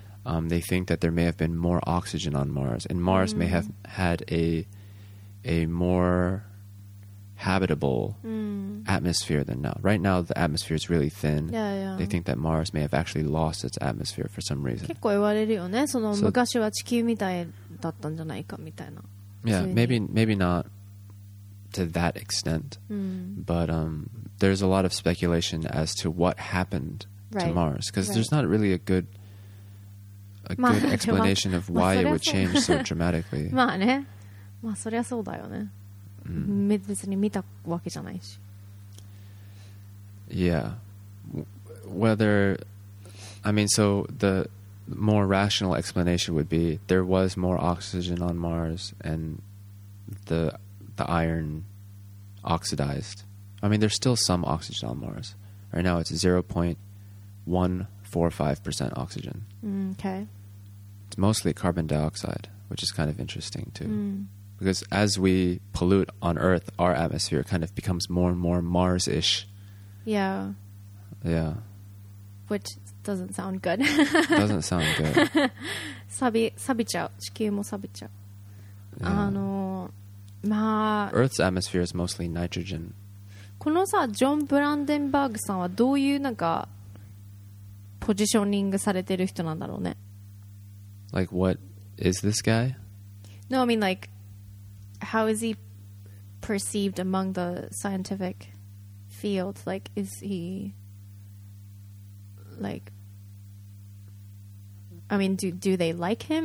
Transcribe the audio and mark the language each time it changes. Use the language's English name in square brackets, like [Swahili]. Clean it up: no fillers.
[English] They think that there may have been more oxygen on Mars. And Mars may have had a more habitable atmosphere than now. Right now, the atmosphere is really thin. Yeah, yeah. They think that Mars may have actually lost its atmosphere for some reason. [Japanese] 結構言われるよね。その昔は地球みたいだったんじゃないかみたいな。 [English] Yeah, maybe not to that extent. But there's a lot of speculation as to what happened right, to Mars. Because right. there's not really a good explanation of why it would change so dramatically. [Japanese] まあね。まあそりゃそうだよね。別に見たわけじゃないし。 [English] Yeah. Whether I mean so the more rational explanation would be there was more oxygen on Mars and the iron oxidized. I mean there's still some oxygen on Mars. Right now it's 0.145% oxygen. Okay. It's mostly carbon dioxide, which is kind of interesting too. Because as we pollute on Earth, our atmosphere kind of becomes more and more Mars-ish. Yeah. Yeah. Which doesn't sound good. doesn't sound good. [Japanese] サビちゃう。地球もサビちゃう。 [English] Yeah. [Japanese] まあ、 [English] Earth's atmosphere is mostly nitrogen. [Japanese] このさ、ジョン・ブランデンバーグさんはどういうなんかポジショニングされてる人なんだろうね。 [English] Like, what is this guy? No, I mean like,How is he perceived among the scientific field? Like, is he, like, I mean, do they like him?